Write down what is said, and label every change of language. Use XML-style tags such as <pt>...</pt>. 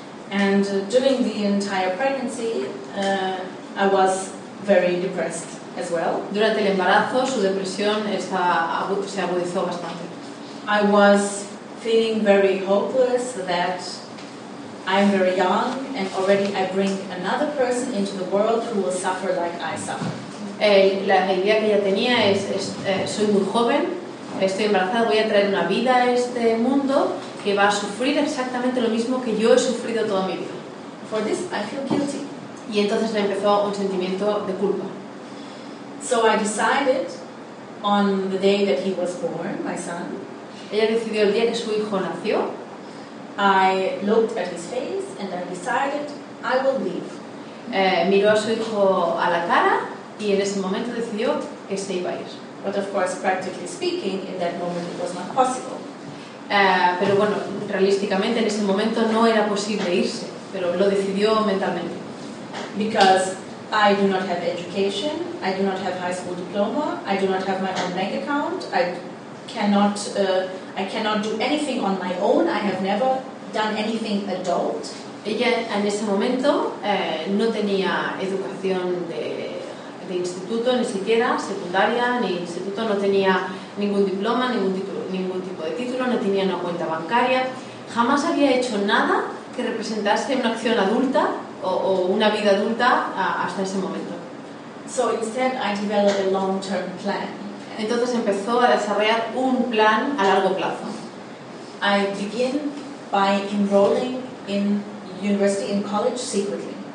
<en>And during the entire pregnancy, I was very depressed as well.</en> <es>Durante el embarazo, su depresión se agudizó bastante.</es> <en>I was feeling very hopeless that I'm very young and already I bring another person into the world who will suffer like I suffer.</en> <es>La idea que ella tenía es soy muy joven, estoy embarazada, voy a traer una vida a este mundo que va a sufrir exactamente lo mismo que yo he sufrido toda mi vida.</es> <en>For this I feel guilty.</en> <es>Y entonces le empezó un sentimiento de culpa.</es> <en>So I decided on the day that he was born, my son.</en> <es>Ella decidió el día que su hijo nació.</es> <en>I looked at his face and I decided I will leave.</en> <es>Miró a su hijo a la cara y en ese momento decidió que se iba a ir.</es> <en>But of course, practically speaking, in that moment it was not possible.</en> <es>Pero bueno, realísticamente en ese momento no era posible irse, pero lo decidió mentalmente.</es> <en>Because I do not have education, I do not have high school diploma, I do not have my own bank account, I cannot do anything on my own. I have never done anything adult.</en> <es>Ella en ese momento no tenía educación de instituto, ni siquiera secundaria ni instituto. No tenía ningún diploma, ningún tipo de título. No tenía una cuenta bancaria. Jamás había hecho nada que representase una acción adulta o una vida adulta hasta ese momento.</es> <en>So instead, I developed a long-term plan.</en> <es>Entonces empezó a desarrollar un plan a largo plazo.</es> <en>I begin by enrolling in university and college secretly.</en>